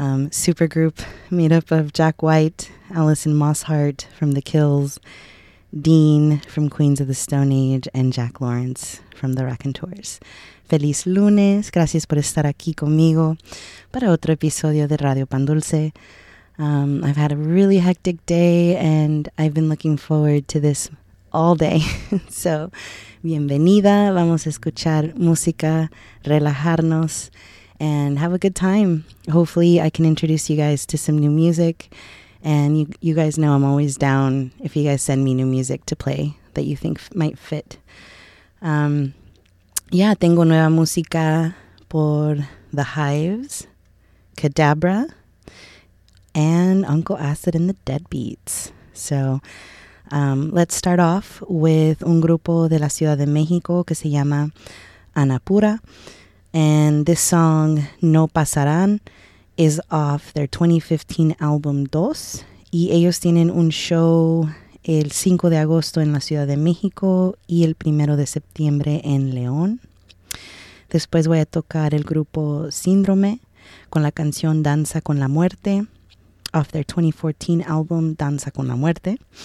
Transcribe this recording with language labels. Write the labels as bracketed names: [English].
[English] super group made up of Jack White, Allison Mosshart from The Kills, Dean from Queens of the Stone Age, and Jack Lawrence from The Raconteurs. [Spanish] Feliz lunes. Gracias por estar aquí conmigo para otro episodio de Radio Pan Dulce. [English] I've had a really hectic day, and I've been looking forward to this all day. [Spanish] So, bienvenida. Vamos a escuchar música, relajarnos, [English] and have a good time. Hopefully, I can introduce you guys to some new music. And you guys know I'm always down if you guys send me new music to play that you think might fit. [Spanish] Tengo nueva música por The Hives, Kadabra, and Uncle Acid and the Deadbeats. [English] So let's start off with [Spanish] un grupo de la Ciudad de México que se llama Anapura. [English] And this song, No Pasarán, is off their 2015 album, Dos. [Spanish] Y ellos tienen un show el 5 de agosto en la Ciudad de México y el 1 de septiembre en León. Después voy a tocar el grupo Síndrome con la canción Danza con la Muerte, [English] off their 2014 album [Spanish] Danza con la Muerte.